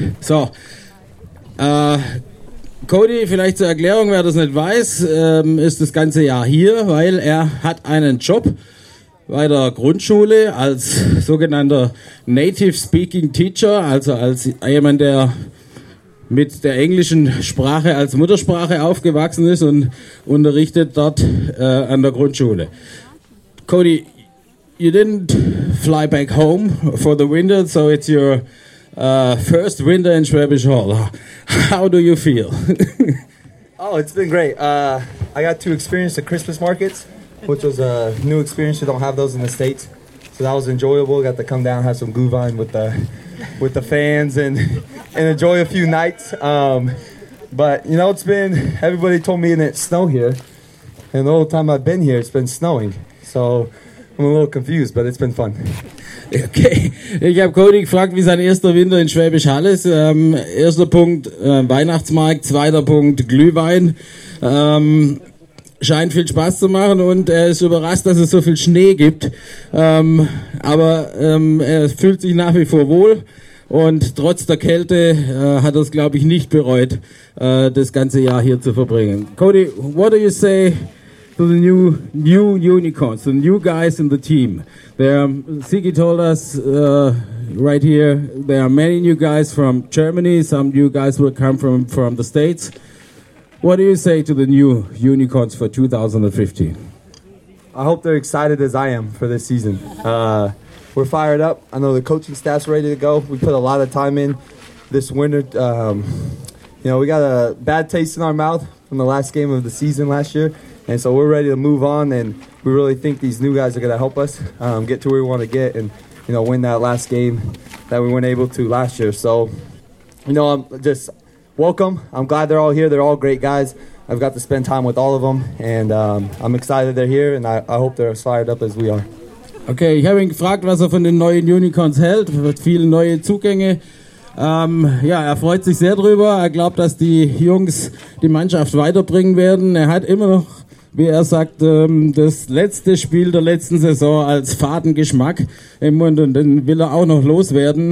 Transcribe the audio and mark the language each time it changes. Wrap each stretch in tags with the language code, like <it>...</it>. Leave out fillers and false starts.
<de>So Cody, vielleicht zur Erklärung, wer das nicht weiß, ist das ganze Jahr hier, weil er hat einen Job bei der Grundschule als sogenannter Native Speaking Teacher, also als jemand, der mit der englischen Sprache als Muttersprache aufgewachsen ist und unterrichtet dort an der Grundschule.</de> <en>Cody, you didn't fly back home for the winter, so it's your first winter in Schwäbisch Hall. How do you feel? Oh, it's been great. I got to experience the Christmas markets, which was a new experience. We don't have those in the States, so that was enjoyable. Got to come down, have some Glühwein with the fans, and enjoy a few nights. But you know, it's been, everybody told me it snowed here, and all the time I've been here, it's been snowing. So I'm a little confused, but it's been fun.</en> <de>Okay, ich habe Cody gefragt, wie sein erster Winter in Schwäbisch Hall ist. Erster Punkt Weihnachtsmarkt, zweiter Punkt Glühwein. Scheint viel Spaß zu machen und er ist überrascht, dass es so viel Schnee gibt. Aber er fühlt sich nach wie vor wohl und trotz der Kälte hat er es, glaube ich, nicht bereut, das ganze Jahr hier zu verbringen.</de> <en>Cody, what do you say to the new unicorns, the new guys in the team? There, Siggy told us right here, there are many new guys from Germany, some new guys will come from the States. What do you say to the new unicorns for 2015? I hope they're excited as I am for this season. We're fired up. I know the coaching staff's ready to go. We put a lot of time in this winter. You know, we got a bad taste in our mouth from the last game of the season last year. And so we're ready to move on, and we really think these new guys are going to help us get to where we want to get and, you know, win that last game that we weren't able to last year. So, you know, I'm just welcome. I'm glad they're all here. They're all great guys. I've got to spend time with all of them, and I'm excited they're here, and I hope they're as fired up as we are.</en> <de>Okay, ich habe ihn gefragt, was von den neuen Unicorns hält, mit vielen neuen Zugängen. Ja, er freut sich sehr drüber. Er glaubt, dass die Jungs die Mannschaft weiterbringen werden. Er hat immer noch, wie er sagt, das letzte Spiel der letzten Saison als Fadengeschmack im Mund und den will er auch noch loswerden.</de>